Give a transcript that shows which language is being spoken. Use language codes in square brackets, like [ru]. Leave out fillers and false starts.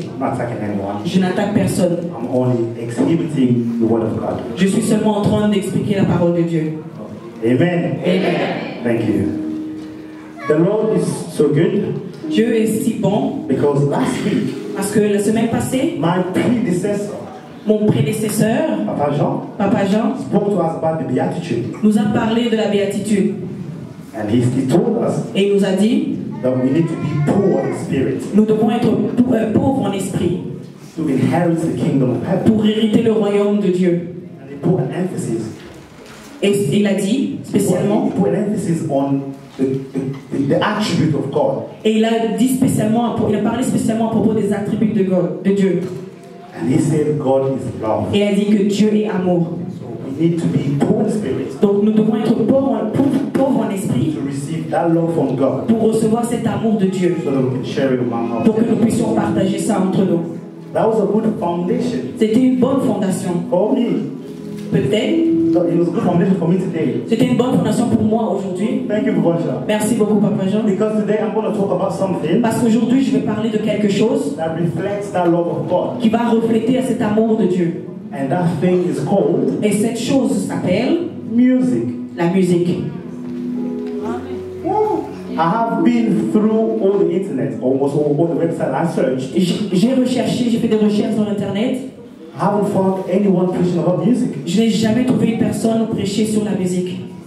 [en] I'm not attacking anyone. [fr] Je n'attaque personne. [en] I'm only exhibiting the word of God. [fr] Je suis seulement en train d'expliquer la parole de Dieu. [en] Amen. Amen. Thank you. The Lord is so good. [fr] Dieu est si bon. [en] Because last week, [fr] parce que la semaine passée, [en] my predecessor, [fr] mon prédécesseur, [en] Papa Jean, spoke to us about the beatitude. [fr] Nous a parlé de la béatitude. [en] And he told us, [fr] et il nous a dit, [en] that we need to be poor in spirit. [fr] Nous devons être pauvres en esprit. [en] To inherit the kingdom of heaven. [fr] Pour hériter le royaume de Dieu. [en] And he put an emphasis. [fr] Et il a dit spécialement. [en] He put an emphasis on the attribute of God. [fr] Et il a dit spécialement, il a parlé spécialement à propos des attributs de Dieu. [en] And he said God is love. [fr] Et il a dit que Dieu est amour. [en] So we need to be poor in spirit. [fr] Donc nous devons être pauvres en esprit. [en] To receive that love from God. [fr] Pour recevoir cet amour de Dieu. [en] So that we can share it among ourselves. [fr] Pour que nous puissions partager ça entre nous. [en] That was a good foundation. [fr] C'était une bonne fondation. [en] For me. [fr] Peut-être. [en] It was good foundation for me today. [fr] C'était une bonne fondation pour moi aujourd'hui. [en] Thank you, Papa Jean. [fr] Merci beaucoup, Papa Jean. [en] Because today I'm going to talk about something. [fr] Parce qu'aujourd'hui, je vais parler de quelque chose. [en] That reflects that love of God. [fr] Qui va refléter cet amour de Dieu. [en] And that thing is called. [fr] Et cette chose s'appelle. [en] Music. [fr] La musique. [en] I have been through all the internet, almost all the websites I searched. [fr] J'ai fait des recherches sur internet. [en] I haven't found anyone preaching about music. [fr] Je n'ai jamais trouvé une personne prêcher sur la musique.